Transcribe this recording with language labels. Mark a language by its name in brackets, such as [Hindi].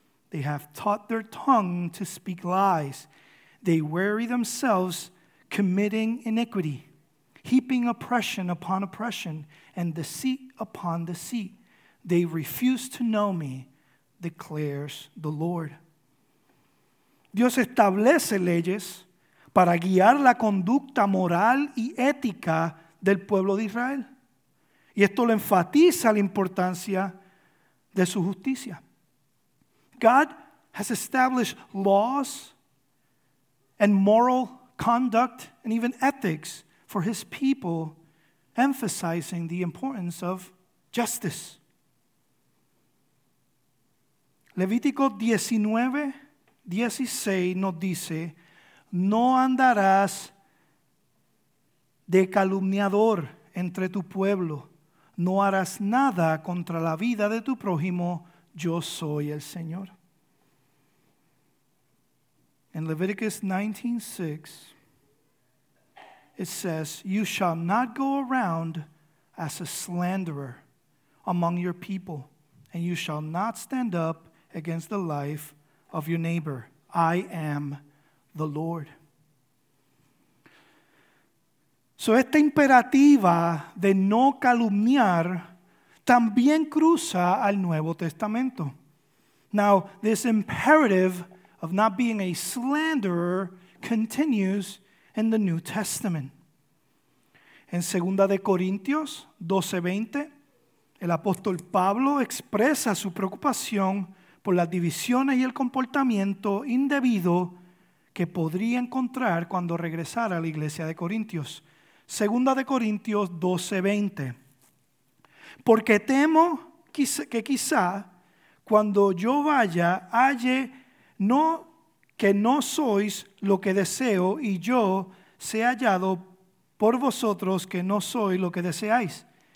[English] They have taught their tongue to speak lies. They weary themselves committing iniquity, heaping oppression upon oppression, and deceit upon deceit. They refuse to know me, declares the Lord. [Spanish] Dios establece leyes para guiar la conducta moral y ética del pueblo de Israel. Y esto lo enfatiza la importancia de su justicia. [English] God has established laws and moral conduct and even ethics for his people, emphasizing the importance of justice. [Spanish] Levítico 19, 16 nos dice, no andarás de calumniador entre tu pueblo. No harás nada contra la vida de tu prójimo. Yo soy el Señor. [English] In Leviticus 19:6, it says, you shall not go around as a slanderer among your people, and you shall not stand up against the life of your neighbor. I am the Lord. [Spanish] So esta imperativa de no calumniar también cruza al Nuevo Testamento. [English] Now, this imperative of not being a slanderer continues in the New Testament. [Spanish] En 2 Corintios 12:20, el apóstol Pablo expresa su preocupación por las divisiones y el comportamiento indebido que podría encontrar cuando regresara a la iglesia de Corintios. 2 Corintios 12:20. Porque temo que quizá cuando yo vaya halle no que no sois lo que deseo y yo sea hallado por vosotros que no soy lo que deseáis.